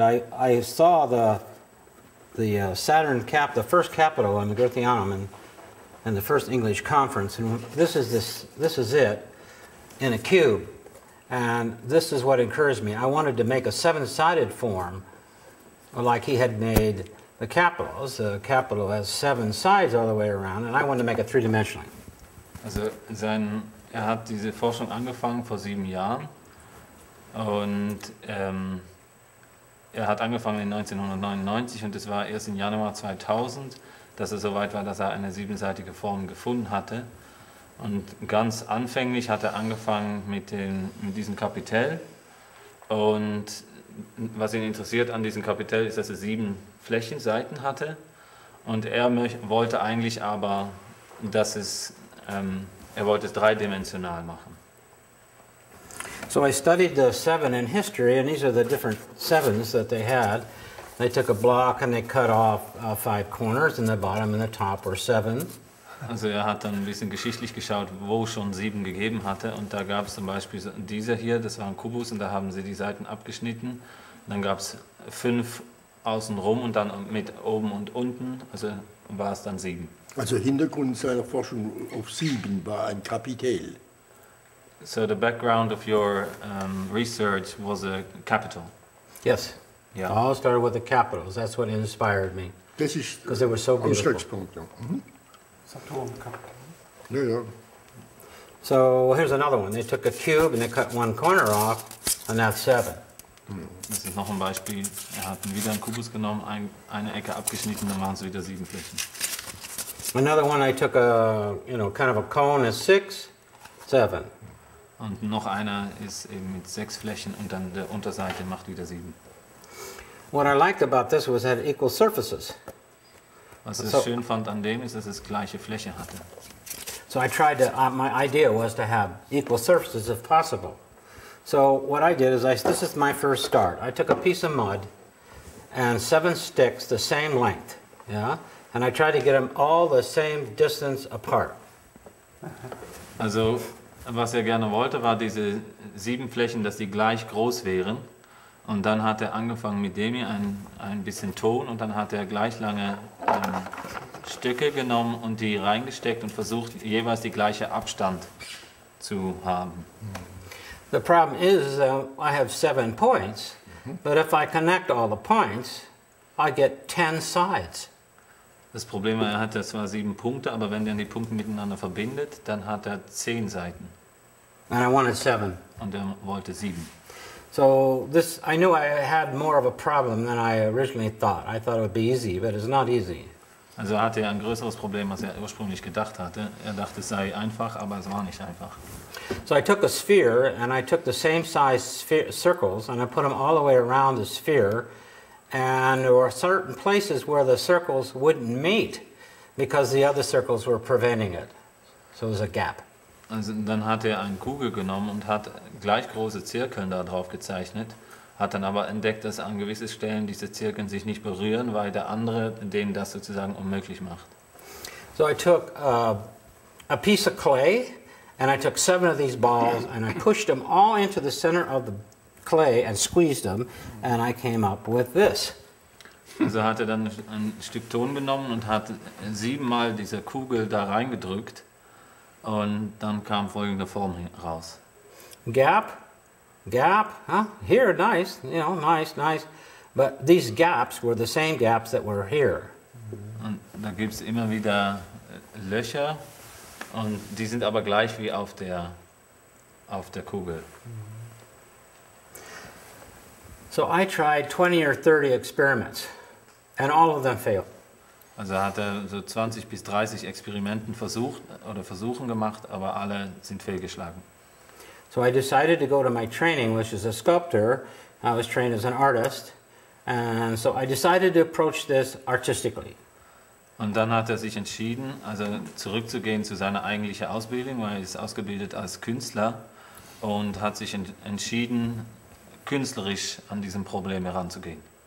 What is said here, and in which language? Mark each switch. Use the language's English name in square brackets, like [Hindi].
[English] I saw the Saturn cap, the first capital on the Goetheanum, and the first English conference. And this is it in a cube, and this is what encouraged me. I wanted to make a seven-sided form, like he had made the capitals. The capital has seven sides all the way around, and I wanted to make it three-dimensionally. [German] Also er hat diese Forschung angefangen vor 7 Jahren und er hat angefangen in 1999 und es war erst im Januar 2000, dass er so weit war, dass er eine siebenseitige Form gefunden hatte. Und ganz anfänglich hat er angefangen mit diesem Kapitell, und was ihn interessiert an diesem Kapitell ist, dass er 7 Flächenseiten hatte, und er wollte eigentlich aber, dass es wollte es dreidimensional machen. [English] So I studied the seven in history, and these are the different sevens that they had. They took a block and they cut off 5 corners, and the bottom and the top were 7. [German] Also hat dann ein bisschen geschichtlich geschaut, wo schon 7 gegeben hatte, und da gab es zum Beispiel dieser hier, das war ein Kubus, und da haben sie die Seiten abgeschnitten. Und dann gab es 5 außenrum und dann mit oben und unten, also war es dann 7. Also Hintergrund seiner Forschung auf 7 war ein Kapitel. [English] So the background of your research was a capital. Yes. Yeah. All started with the capitals. That's what inspired me. [German] Das ist [English] because they were so beautiful. [German] Ausgangspunkt. Mhm. Saturn Kapitel. Ja, ja. [English] So here's another one. They took a cube and they cut 1 corner off, and that's 7. [German] Mhm. Das ist noch ein Beispiel. Er hat wieder einen Kubus genommen, eine Ecke abgeschnitten, dann waren es wieder 7 Flächen. [English] Another one, I took a, you know, kind of a cone, is 6, 7. [German] Und noch einer ist eben mit 6 Flächen, und dann der Unterseite macht wieder 7. [English] What I liked about this was it had equal surfaces. [German] Was ich schön fand an dem ist, dass es gleiche Fläche hatte. [English] So I tried to, my idea was to have equal surfaces if possible. So what I did is, this is my first start. I took a piece of mud and 7 sticks the same length, yeah? And I tried to get them all the same distance apart. [German] Also, was gerne wollte, war diese 7 Flächen, dass die gleich groß wären. Und dann hat angefangen mit dem hier ein bisschen Ton, und dann hat gleich lange Stücke genommen und die reingesteckt und versucht, jeweils die gleiche Abstand zu haben. [English] The problem is, I have 7 points, but if I connect all the points, I get 10 sides. [German] Das Problem war, er hatte zwar 7 Punkte, aber wenn er die Punkte miteinander verbindet, dann hat 10 Seiten. [English] And I wanted 7. [German] Und wollte 7. [English] So this, I knew I had more of a problem than I originally thought. I thought it would be easy, but it's not easy. [German] Also hatte ein größeres Problem, als ursprünglich gedacht hatte. Dachte, es sei einfach, aber es war nicht einfach. [English] So I took a sphere and I took the same size circles and I put them all the way around the sphere, And there were certain places where the circles wouldn't meet because the other circles were preventing it. So it was a gap. [German] Also, dann hat eine Kugel genommen und hat gleich große Zirkel da drauf gezeichnet, hat dann aber entdeckt, dass an gewissen Stellen diese Zirkel sich nicht berühren, weil der andere denen das sozusagen unmöglich macht. [English] So I took a piece of clay and I took 7 of these balls and I pushed them all into the center of the clay and squeezed them and I came up with this. [German] Also hat dann ein Stück Ton genommen und hat 7-mal diese Kugel da reingedrückt und dann kam folgende Form raus. [English] Gap, gap, huh? Here, nice, you know, nice, nice. But these gaps were the same gaps that were here. [German] Und da gibt's immer wieder Löcher und die sind aber gleich wie auf der Kugel. [English] So I tried 20 or 30 experiments and all of them failed. [German] Also hat so 20 bis 30 Experimenten versucht oder Versuchen gemacht, aber alle sind fehlgeschlagen. [English] So I decided to go to my training, which is a sculptor. I was trained as an artist. And so I decided to approach this artistically. [German] Und dann hat sich entschieden, also zurückzugehen zu seiner eigentlichen Ausbildung, weil ist ausgebildet als Künstler und hat sich entschieden, künstlerisch an diesem Problem heranzugehen.